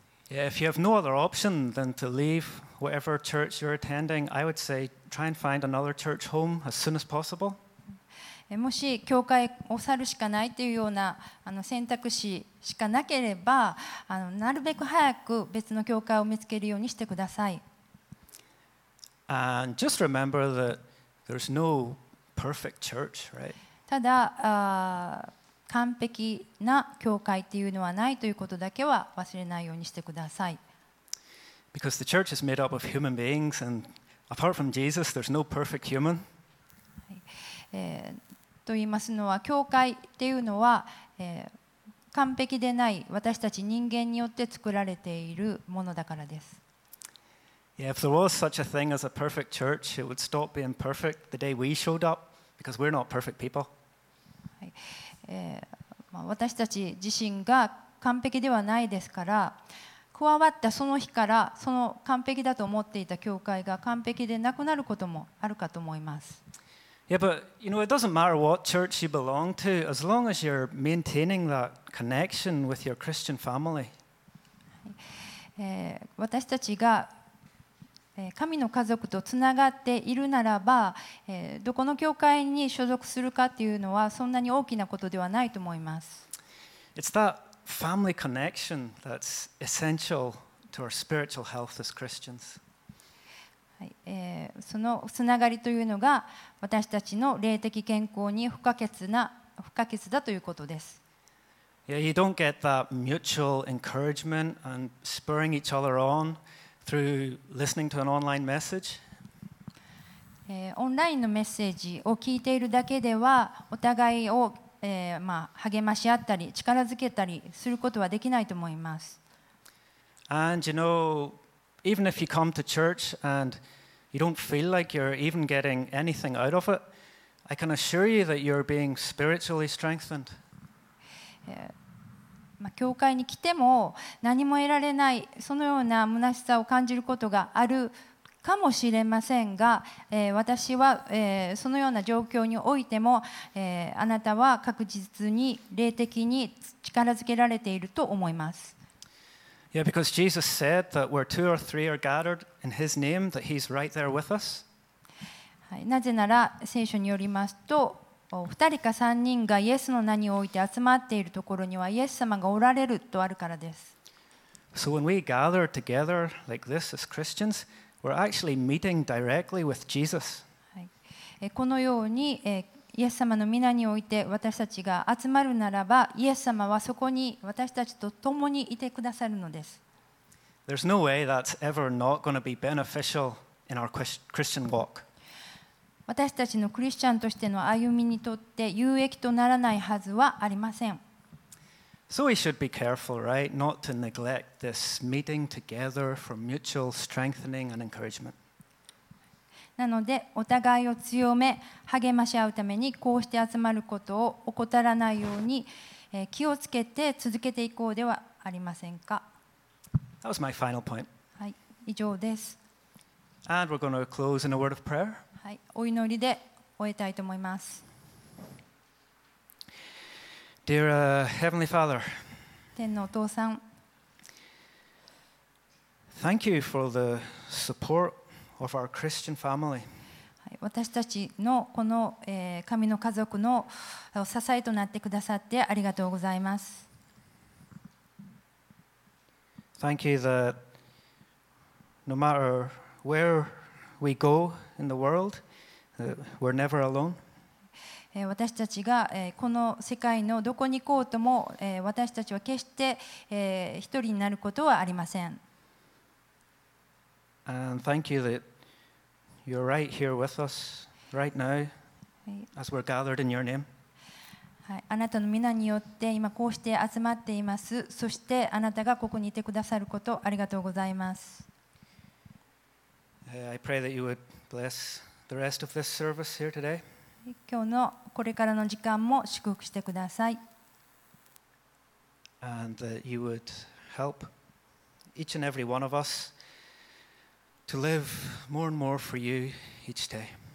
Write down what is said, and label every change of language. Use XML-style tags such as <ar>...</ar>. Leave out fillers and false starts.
<en>Yeah, if you have no other option than to leave whatever church you're attending, I would say try and find another church home as soon as possible.</en> <ja>もし教会を去るしかないというような選択肢しかなければなるべく早く別の教会を見つけるようにしてください。</ja> <en>And just remember that there's no perfect church, right?</en> <ja>ただ完璧な教会っていうのはないということだけは忘れないようにしてください。</ja> <en>Because the church is made up of human beings, and apart from Jesus, there's no perfect human.</en> <ja>と言いますのは、教会っていうのは、完璧でない私たち人間によって作られているものだからです。</ja> <en>Yeah, if there was such a thing as a perfect church, it would stop being perfect the day we showed up, because we're not perfect people.</en> <ja>はい、私たち自身が完璧ではないですから、加わったその日からその完璧だと思っていた教会が完璧でなくなることもあるかと思います。</ja> <en>Yeah, but you know, it doesn't matter what church you belong to, as long as you're maintaining that connection with your Christian family.</en> <ja>私たちが神の家族とつながっているならば、どこの教会に所属するかっていうのはそんなに大きなことではないと思います。</ja> <en>It's that family connection that's essential to our spiritual health as Christians.</en> <ja>そのつながりというのが私たちの霊的健康に不可欠だということです。</ja> <en>Yeah, you don't get that mutual encouragement and spurring each other on through listening to an online message.</en> <ja>オンラインのメッセージを聞いているだけではお互いを、まあ、励まし合ったり力づけたりすることはできないと思います。</ja> <en>And you know,Even if you come to church and you don't feel like you're even getting anything out of it, I can assure you that you're being spiritually strengthened.</en> <ja>教会に来ても何も得られない、そのような虚しさを感じることがあるかもしれませんが、私は、そのような状況においても、あなたは確実に霊的に力づけられていると思います。</ja> <en>Yeah, because Jesus said that where two or three are gathered in His name, that He's right there with us.</en> <ja>なぜなら聖書によりますと、二人か三人がイエスの名において集まっているところにはイエス様がおられるとあるからです。</ja> <en>So when we gather together like this as Christians, we're actually meeting directly with Jesus.</en> <ja>このようにイエス様の御名において私たちが集まるならばイエス様はそこに私たちと共にいてくださるのです。</ja> <en>There's no way that's ever not going to be beneficial in our Christian walk.</en> <ja>私たちのクリスチャンとしての歩みにとって有益とならないはずはありません。</ja> <en>So we should be careful, right, not to neglect this meeting together for mutual strengthening and encouragement.</en> <ja>なのでお互いを強め励まし合うためにこうして集まることを怠らないように気をつけて続けていこうではありませんか。</ja> <en>That was my final point.</en> <ja>はい、以上です。</ja> <en>And we're going to close in a word of prayer.</en> <ja>はい、お祈りで終えたいと思います。</ja> <en>Dear Heavenly Father,</en> <ja>天のお父さん、</ja> <en>Thank you for the supportof our Christian family.</en> <ja>私たちのこの神の家族の支えとなってくださってありがとうございます。</ja> <en>Thank you that no matter where we go in the world, we're never alone.</en> <ja>私たちがこの世界のどこに行こうとも私たちは決して一人になることはありません。</ja> <en>And thank you that you're right here with us right now as we're gathered in your name.</en> <ja>あなたの名によって今こうして集まっています。そしてあなたがここにいてくださることありがとうございます。</ja> <en>I pray that you would bless the rest of this service here today.</en> <ja>今日のこれからの時間も祝福してください。</ja> <en>And that you would help each and every one of us to live more and more for you each day.</en>